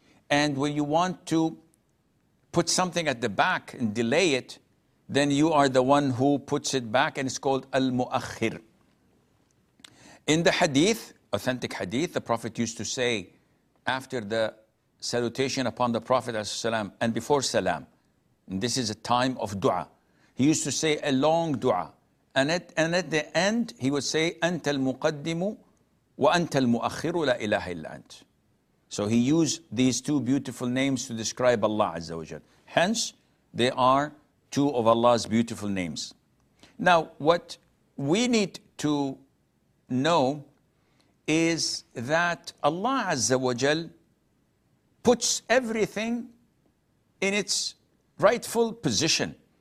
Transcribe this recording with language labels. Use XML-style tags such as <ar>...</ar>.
<en>And when you want to put something at the back and delay it, then you are the one who puts it back, and it's called Al-Mu'akhir. In the hadith, authentic hadith, the Prophet used to say after the salutation upon the Prophet and before salam, and this is a time of dua, he used to say a long dua. And at the end, he would say,</en> <ar>أَنْتَ الْمُقَدِّمُ وَأَنْتَ الْمُؤَخِّرُ لَا إِلَهَ إِلَّا أَنْتَ.</ar> <en>So he used these two beautiful names to describe Allah Azza wa Jal. Hence, they are two of Allah's beautiful names. Now, what we need to know is that Allah Azza wa Jal puts everything in its rightful position.</en>